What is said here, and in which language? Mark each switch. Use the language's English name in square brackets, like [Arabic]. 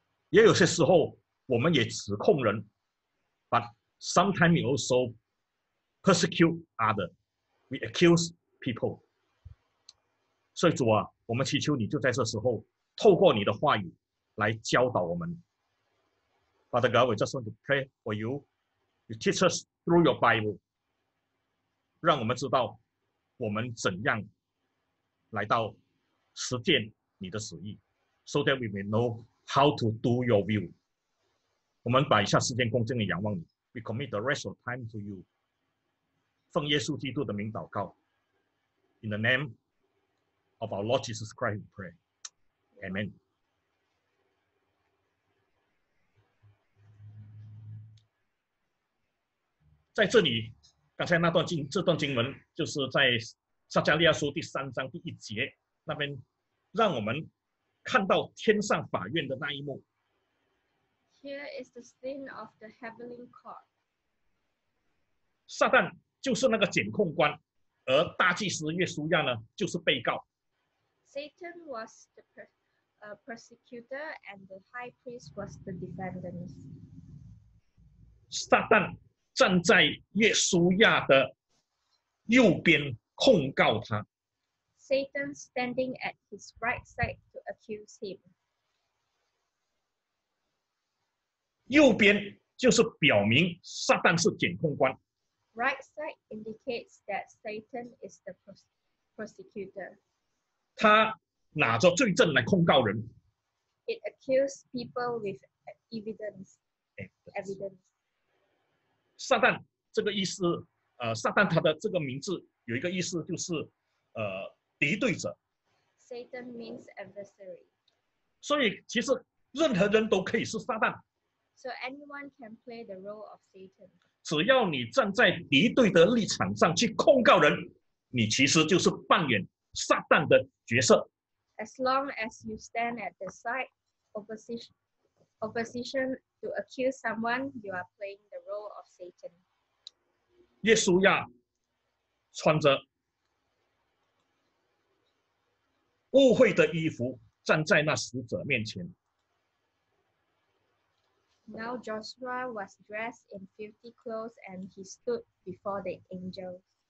[Chinese] 也有些时候我们也指控人， [English] but sometimes we also persecute others. We accuse people. [Chinese] 所以主啊，我们祈求你就在这时候透过你的话语来教导我们。 [English] Father God, we just want to pray for you. You teach us through your Bible. [Chinese] 让我们知道我们怎样来到实践你的旨意， [English] so that we may know how to do your will. [Chinese] 我们把一下时间恭敬地仰望你， [English] We commit the rest of time to you. 奉耶稣基督的名祷告， In the nameOf our Lord Jesus Christ, we pray. Amen. In here, [Chinese] 刚才那段经，这段经文就是在撒迦利亚书第三章第一节那边，让我们看到天上法院的那一幕。 [English] Here is the scene of the heavenly court. [Chinese] 撒旦就是那个检控官，而大祭司约书亚呢，就是被告。 [English] Satan was the persecutor and the high priest was the defendant. [Chinese] Satan 站在耶稣亚的右边控告他。 [English] Satan standing at his right side to accuse him. [Chinese] 右边就是表明撒旦是检控官。 [English] Right side indicates that Satan is the prosecutor. [Chinese] 他拿着罪证来控告人。 [English] It accuses people with evidence. Evidence. [Chinese] 撒旦这个意思，撒旦他的这个名字有一个意思，就是敌对者。 [English] Satan means adversary. [Chinese] 所以其实任何人都可以是撒旦。 [English] So anyone can play the role of Satan. [Chinese] 只要你站在敌对的立场上去控告人，你其实就是扮演撒旦的角色。 [English] As long as you stand at the side opposition to accuse someone, you are playing the role of Satan. [Chinese] 耶稣亚穿着污秽的衣服站在那使者面前。 [English] Now Joshua was dressed in filthy clothes and he stood before the angels.